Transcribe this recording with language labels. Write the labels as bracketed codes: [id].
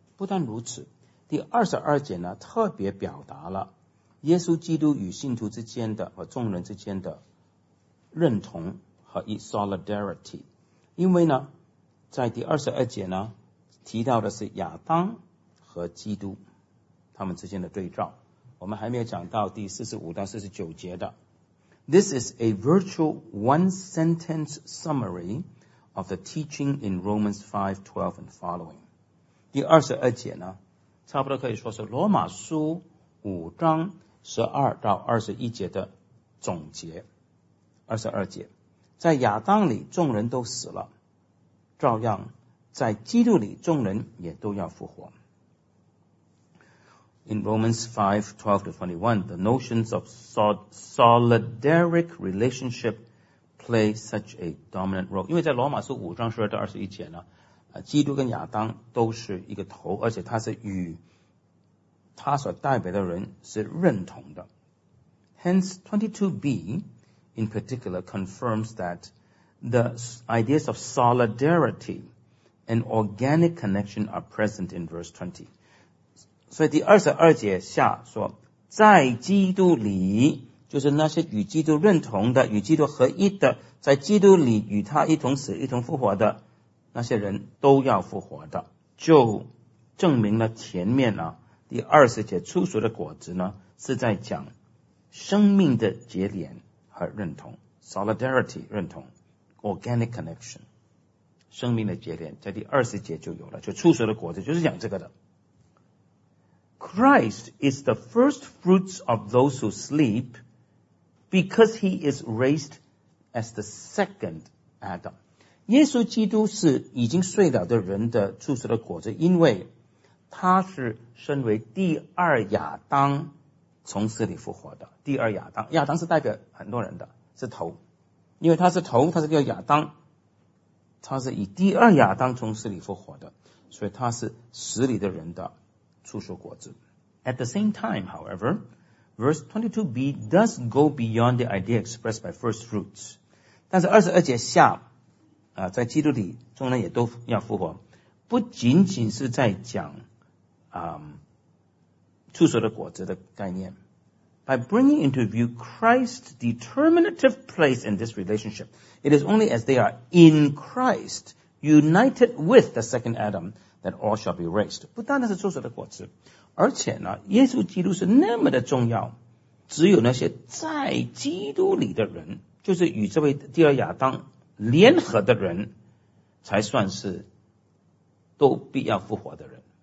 [zh] 不但如此，第二十二节呢，特别表达了耶稣基督与信徒之间的和众人之间的认同和 solidarity。因为呢，在第二十二节呢，提到的是亚当和基督他们之间的对照。我们还没有讲到第四十五到四十九节的。 [en] This is a virtual one sentence summaryof the teaching in Romans 5:12 and following。 [zh] 第二十二节呢，差不多可以说是罗马书五章十二到二十一节的总结。二十二节，在亚当里众人都死了，照样在基督里众人也都要复活。 [en] In Romans 5:12-21, the notions of solidaric relationship play such a dominant role. [zh] 因为在罗马书5:12-21呢，基督跟亚当都是一个头，而且他是与他所代表的人是认同的。 [en] Hence 22b in particular confirms that the ideas of solidarity and organic connection are present in verse 20. [zh] 所以第22节下说，在基督里，就是那些与基督认同的，与基督合一的，在基督里与他一同死一同复活的那些人都要复活的，就证明了前面啊第二十节初熟的果子呢，是在讲生命的结连和认同 ，solidarity 认同 ，organic connection， 生命的结连在第二十节就有了，就初熟的果子就是讲这个的。 [en] Christ is the first fruits of those who sleep, because he is raised as the second Adam。 [zh] 耶稣基督是已经睡了的人的初熟的果子，因为他是身为第二亚当从死里复活的。第二亚当，亚当是代表很多人的，是头，因为他是头，他是叫亚当，他是以第二亚当从死里复活的，所以他是死里的人的初熟果子。 [en] At the same time, however, verse 22b does go beyond the idea expressed by first fruits. [zh] 但是22节下在基督里众人也都要复活，不仅仅是在讲初熟的果子的概念。 [en] By bringing into view Christ's determinative place in this relationship, it is only as they are in Christ, united with the second Adam, that all shall be raised. [zh] 不单单是初熟的果子，而且呢，耶稣基督是那么的重要，只有那些在基督里的人，就是与这位第二亚当联合的人，才算是都必要复活的人。